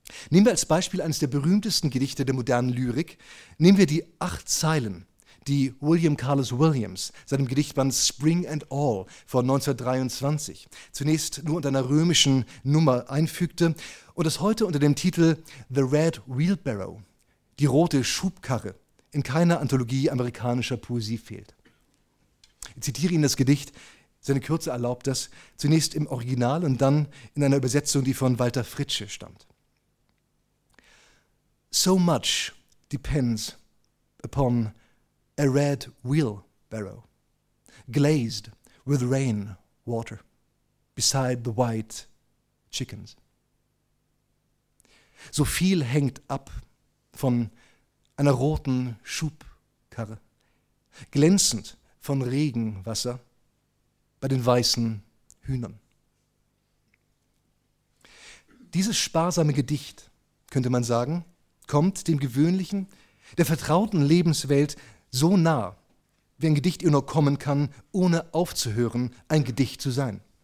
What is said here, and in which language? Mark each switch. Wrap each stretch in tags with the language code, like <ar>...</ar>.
<de>Nehmen wir als Beispiel eines der berühmtesten Gedichte der modernen Lyrik, nehmen wir die 8 Zeilen, die William Carlos Williams seinem Gedichtband Spring and All von 1923 zunächst nur unter einer römischen Nummer einfügte und es heute unter dem Titel The Red Wheelbarrow, die rote Schubkarre, in keiner Anthologie amerikanischer Poesie fehlt. Ich zitiere Ihnen das Gedicht, seine Kürze erlaubt das, zunächst im Original und dann in einer Übersetzung, die von Walter Fritzsche stammt.</de> <en>So much depends upon a red wheelbarrow, glazed with rain water, beside the white chickens.</en> <de>So viel hängt ab von einer roten Schubkarre, glänzend von Regenwasser bei den weißen Hühnern. Dieses sparsame Gedicht, könnte man sagen, kommt dem gewöhnlichen, der vertrauten Lebenswelt so nah, wie ein Gedicht ihr nur kommen kann, ohne aufzuhören, ein Gedicht zu sein.</de>